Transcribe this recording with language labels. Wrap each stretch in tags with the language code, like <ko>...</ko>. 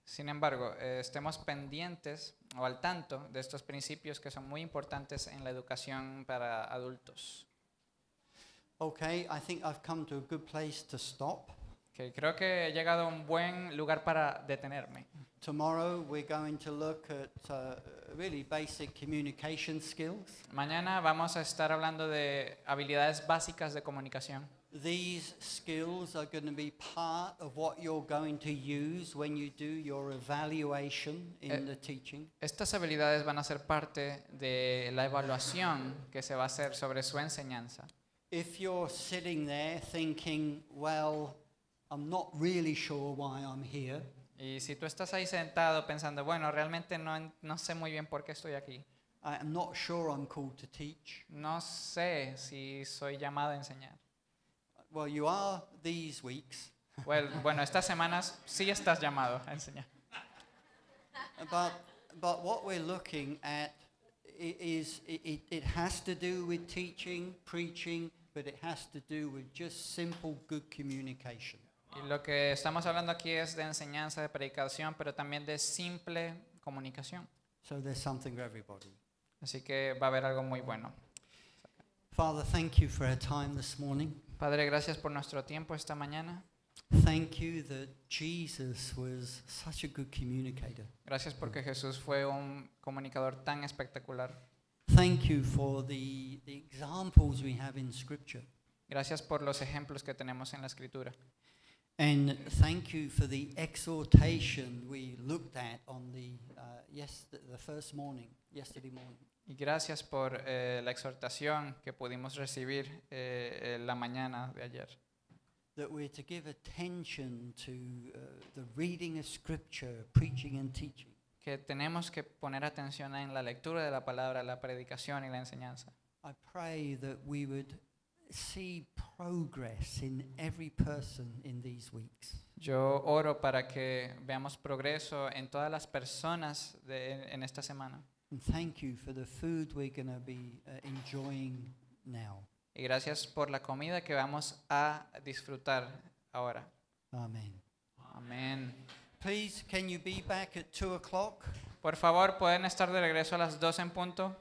<es>Sin embargo, estemos pendientes o al tanto de estos principios que son muy importantes en la educación para adultos.</es> <en>Okay, I think I've come to a good place to stop.</en> <es>Okay, creo que he llegado a un buen lugar para detenerme.</es> <en>Tomorrow we're going to look at really basic communication skills.</en> <es>Mañana vamos a estar hablando de habilidades básicas de comunicación.</es> <en>These skills are going to be part of what you're going to use when you do your evaluation in the teaching.</en> <es>Estas habilidades van a ser parte de la evaluación que se va a hacer sobre su enseñanza.</es> <en>If you're sitting there thinking, well, I'm not really sure why I'm here.</en> <es>Y si tú estás ahí sentado pensando, bueno, realmente no sé muy bien por qué estoy aquí.</es> <en>I'm not sure I'm called to teach.</en> <es>No sé si soy llamado a enseñar.</es> <en>Well, you are these weeks.</en> <es>Bueno, estas semanas sí estás llamado a enseñar.</es> <en>But what we're looking at is it has to do with teaching, preaching, but it has to do with just simple good communication.</en> <es>Y lo que estamos hablando aquí es de enseñanza, de predicación, pero también de simple comunicación.</es> <en>So there's something for everybody.</en> <es>Así que va a haber algo muy bueno.</es> <en>Father, thank you for our time this morning.</en> <es>Padre, gracias por nuestro tiempo esta mañana.</es> <en>Thank you that Jesus was such a good communicator.</en> <es>Gracias porque Jesús fue un comunicador tan espectacular.</es> <en>Thank you for the examples we have in Scripture.</en> <es>Gracias por los ejemplos que tenemos en la Escritura.</es> <en>And thank you for the exhortation we looked at on the first morning, yesterday morning.</en> <es>Y gracias por la exhortación que pudimos recibir la mañana de ayer.</es> <en>That we're to give attention to the reading of Scripture, preaching and teaching.</en> <es>Que tenemos que poner atención en la lectura de la palabra, la predicación y la enseñanza.</es> <en>I pray that we would see progress in every person in these weeks.</en> <es>Yo oro para que veamos progreso en todas las personas en esta semana.</es> <en>And thank you for the food we're going to be enjoying now.</en> <es>Y gracias por la comida que vamos a disfrutar ahora.</es> <en>Amen.</en> <es>Amen.</es> <en>Please, can you be back at 2:00?</en> <es>Por favor, ¿pueden estar de regreso a las 2:00?</es>